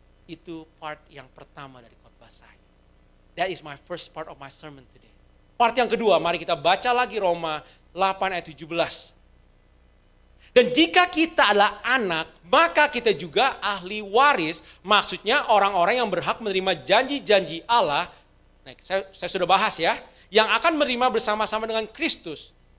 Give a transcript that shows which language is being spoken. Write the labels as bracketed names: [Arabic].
[Indonesian] Itu part yang pertama dari khotbah saya. [English] That is my first part of my sermon today. [Indonesian] Part yang kedua, mari kita baca lagi Roma 8 ayat 17. Dan jika kita adalah anak, maka kita juga ahli waris. Maksudnya orang-orang yang berhak menerima janji-janji Allah. Nah, saya sudah bahas ya. Yang akan menerima bersama-sama dengan Kristus.